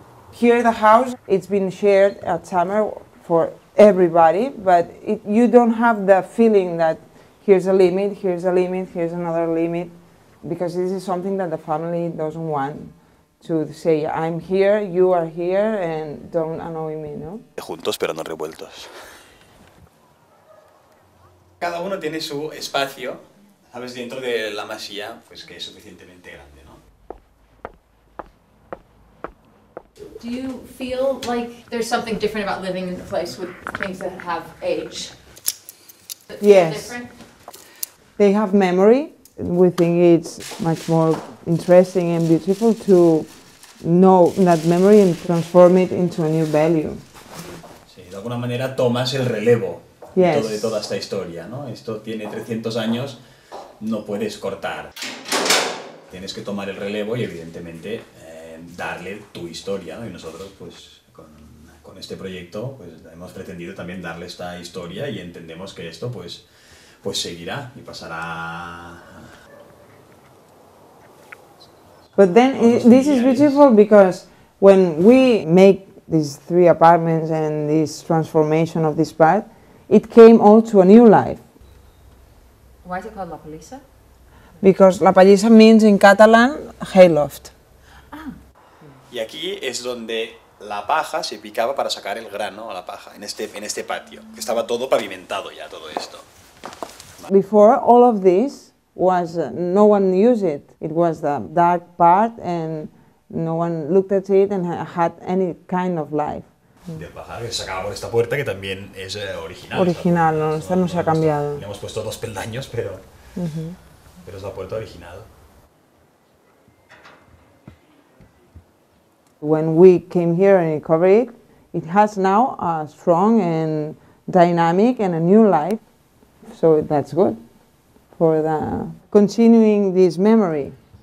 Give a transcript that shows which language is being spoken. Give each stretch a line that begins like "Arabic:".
English: Here the house, it's been shared at summer for everybody, but you don't have the feeling that here's a limit, here's a limit, here's another limit, because this is something that the family doesn't want. To say, I'm here, you are here, and don't annoy me, no?
Spanish: Juntos, pero no revueltos. Cada uno tiene su espacio, sabes, dentro de la masía, pues que es suficientemente grande, no?
English: Do you feel like there's something different about living in a place with things that have age? Yes. Different? They have memory. We think it's much more interesting and beautiful to know that memory and transform it into a new value.
Spanish: Sí, de alguna manera tomas el relevo
English: yes.
Spanish: de toda esta historia, ¿no? Esto tiene 300 años, no puedes cortar. Tienes que tomar el relevo y evidentemente darle tu historia, ¿no? Y nosotros pues con este proyecto pues hemos pretendido también darle esta historia y entendemos que esto pues seguirá y pasará.
English: But then this is beautiful because when we make these three apartments and this transformation of this part, it came all to a new life. Why is it called La Palissa? Because La Palissa means in Catalan hayloft. Ah.
Spanish: Y aquí es donde la paja se picaba para sacar el grano a la paja en este patio. Estaba todo pavimentado ya todo esto.
English: Before all of this was no one used it. It was the dark part and no one looked at it and had any kind of life.
Spanish: De bajar, que se sacaba por esta puerta que también es original. Original, esta, no, esta no se ha cambiado. Le hemos puesto dos peldaños, pero, pero es la puerta original.
English: When we came here and covered it, it has now a strong and dynamic and a new life. So that's good. For the continuing this memory.